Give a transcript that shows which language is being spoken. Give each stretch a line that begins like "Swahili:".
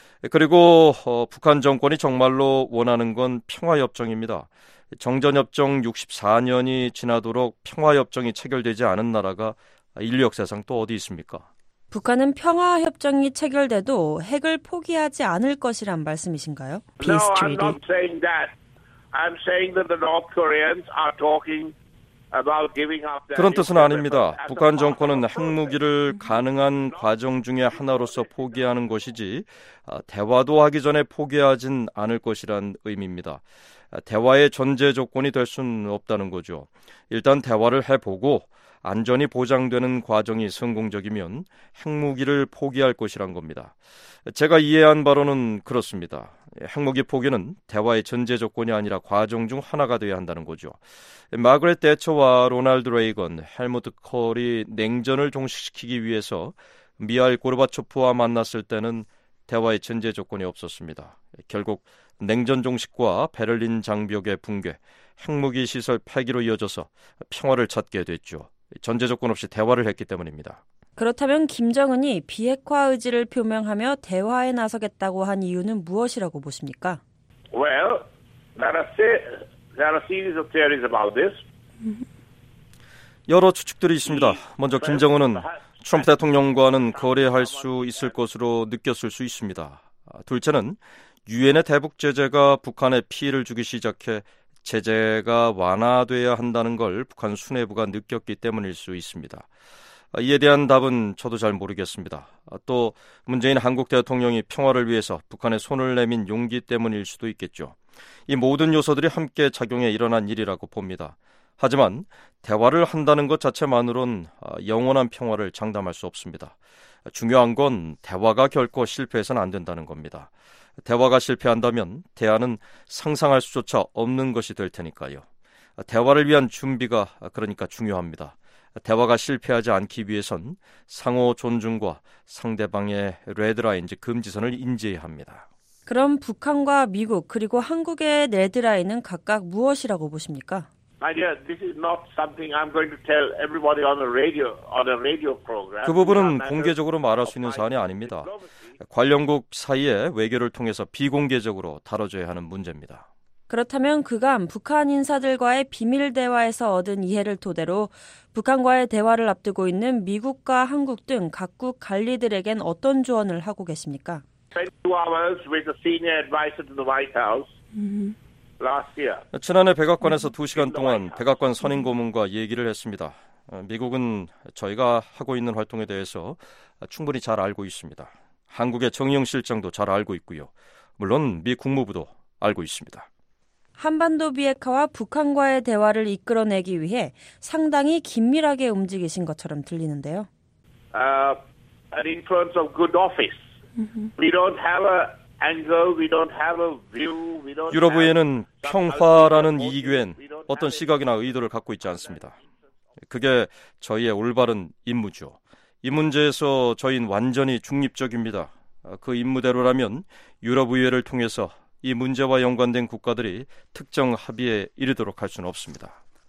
Korean: 그리고 북한 정권이 정말로 원하는 건 평화협정입니다. 정전협정 64년이 지나도록 평화협정이 체결되지 않은 나라가 인류 역사상 또 어디 있습니까? 북한은 평화협정이 체결돼도 핵을 포기하지 않을 것이란 말씀이신가요?
English: No, I'm not saying that. I'm saying that the North Koreans are talking about giving up.
Korean: 그런 뜻은 아닙니다. 북한 정권은 핵무기를 가능한 과정 중에 하나로서 포기하는 것이지 대화도 하기 전에 포기하진 않을 것이란 의미입니다. 대화의 전제 조건이 될 수는 없다는 거죠. 일단 대화를 해보고 안전이 보장되는 과정이 성공적이면 핵무기를 포기할 것이란 겁니다. 제가 이해한 바로는 그렇습니다. 핵무기 포기는 대화의 전제 조건이 아니라 과정 중 하나가 되어야 한다는 거죠. 마그렛 대처와 로널드 레이건, 헬무트 콜이 냉전을 종식시키기 위해서 미하일 고르바초프와 만났을 때는 대화의 전제 조건이 없었습니다. 결국 냉전 종식과 베를린 장벽의 붕괴, 핵무기 시설 폐기로 이어져서 평화를 찾게 됐죠. 전제 조건 없이 대화를 했기 때문입니다. 그렇다면 김정은이 비핵화 의지를 표명하며 대화에 나서겠다고 한 이유는 무엇이라고 보십니까?
English: Well, there are a series of theories about this.
Korean: 여러 추측들이 있습니다. 먼저 김정은은 트럼프 대통령과는 거래할 수 있을 것으로 느꼈을 수 있습니다. 둘째는 유엔의 대북 제재가 북한에 피해를 주기 시작해 제재가 완화돼야 한다는 걸 북한 수뇌부가 느꼈기 때문일 수 있습니다. 이에 대한 답은 저도 잘 모르겠습니다. 또 문재인 한국 대통령이 평화를 위해서 북한에 손을 내민 용기 때문일 수도 있겠죠. 이 모든 요소들이 함께 작용해 일어난 일이라고 봅니다. 하지만 대화를 한다는 것 자체만으론 영원한 평화를 장담할 수 없습니다. 중요한 건 대화가 결코 실패해서는 안 된다는 겁니다. 대화가 실패한다면 대안은 상상할 수조차 없는 것이 될 테니까요. 대화를 위한 준비가 그러니까 중요합니다. 대화가 실패하지 않기 위해선 상호 존중과 상대방의 레드라인, 즉 금지선을 인지해야 합니다. 그럼 북한과 미국 그리고 한국의 레드라인은 각각 무엇이라고 보십니까?
English: My dear, this is not something I'm going to tell everybody on a radio program.
Korean: 그 부분은 공개적으로 말할 수 있는 사안이 아닙니다. 관련국 사이의 외교를 통해서 비공개적으로 다뤄져야 하는 문제입니다. 그렇다면 그간 북한 인사들과의 비밀 대화에서 얻은 이해를 토대로 북한과의 대화를 앞두고 있는 미국과 한국 등 각국 관리들에겐 어떤 조언을 하고 계십니까? 지난해 백악관에서 2시간 동안 백악관 선임 고문과 얘기를 했습니다. 미국은 저희가 하고 있는 활동에 대해서 충분히 잘 알고 있습니다. 한국의 정의용 실장도 잘 알고 있고요. 물론 미 국무부도 알고 있습니다. 한반도 비핵화와 북한과의 대화를 이끌어내기 위해 상당히 긴밀하게 움직이신 것처럼 들리는데요.
English: An influence of good office. We don't have a angle, we don't have a view.
Korean: 유럽의회는 평화라는 이익엔 어떤 시각이나 의도를 갖고 있지 않습니다. 그게 저희의 올바른 임무죠. 이 문제에서 저희는 완전히 중립적입니다. 그 임무대로라면 유럽의회를 통해서 이 문제와 연관된 국가들이 특정 합의에 이르도록 할 수는 없습니다.